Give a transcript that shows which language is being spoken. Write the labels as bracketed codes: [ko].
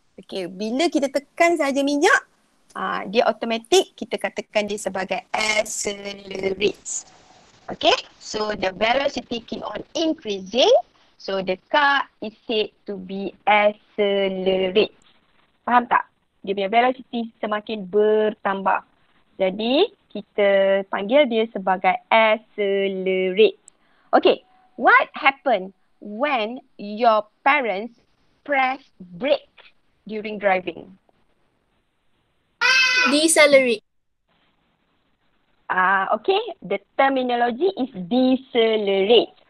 [ms] Okay, bila kita tekan saja minyak, dia automatic, kita katakan dia sebagai accelerates. [en] Okay, so the velocity keep on increasing, so the car is said to be accelerates. [ms] Faham tak? Dia punya velocity semakin bertambah. Jadi, kita panggil dia sebagai accelerates. [en] Okay, what happen when your parents press brake during driving? Decelerate. Okay, the terminology is decelerate.